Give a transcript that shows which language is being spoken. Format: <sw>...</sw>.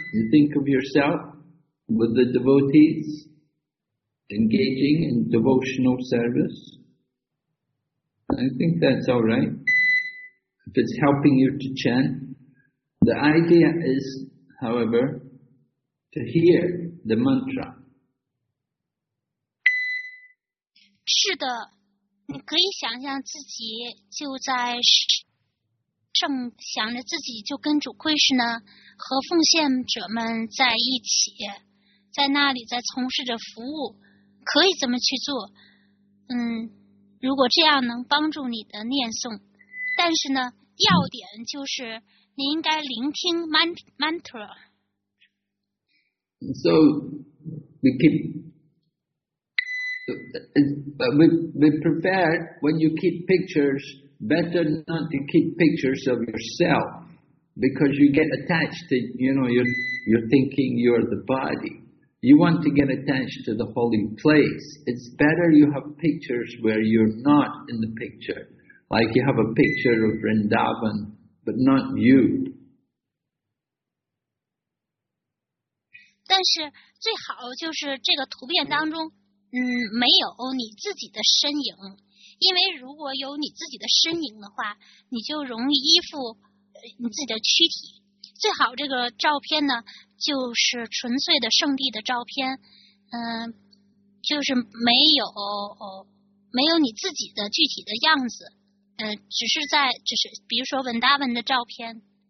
<en>You think of yourself with the devotees engaging in devotional service. I think that's all right. If it's helping you to chant. The idea is, however, to hear the mantra.</en> <zh>是的，你可以想象自己就在正想着自己就跟主奎士呢和奉献者们在一起，在那里在从事着服务，可以这么去做。如果这样能帮助你的念诵，但是呢，要点就是你应该聆听 mantra。</zh> <en>So we keep. But we prefer when you keep pictures, better not to keep pictures of yourself, because you get attached to, you know, you're thinking you're the body. You want to get attached to the holy place. It's better you have pictures where you're not in the picture. Like you have a picture of Vrindavan, but not you.</en> <zh>但是最好就是这个图片当中没有你自己的身影，因为如果有你自己的身影的话，你就容易依附你自己的躯体。最好这个照片呢，就是纯粹的圣地的照片，就是没有你自己的具体的样子，只是在就是比如说文达文的照片。</zh>